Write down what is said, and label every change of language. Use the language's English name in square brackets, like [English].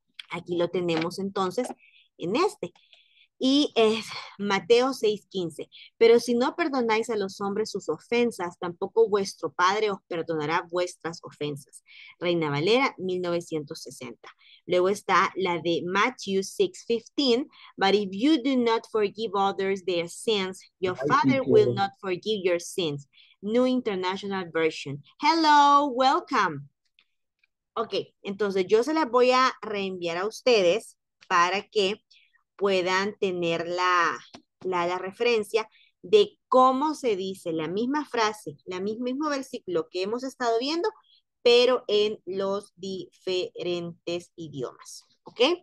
[Spanish] Aquí lo tenemos entonces en este. Y es Mateo 6:15. Pero si no perdonáis a los hombres sus ofensas, tampoco vuestro Padre os perdonará vuestras ofensas. Reina Valera, 1960. Luego está la de Matthew 6:15. [English] But if you do not forgive others their sins, your Father will not forgive your sins. New International Version. Hello, welcome. [Spanish] Ok, entonces yo se las voy a reenviar a ustedes para que puedan tener la referencia de cómo se dice la misma frase, el mismo versículo que hemos estado viendo, pero en los diferentes idiomas. ¿Ok?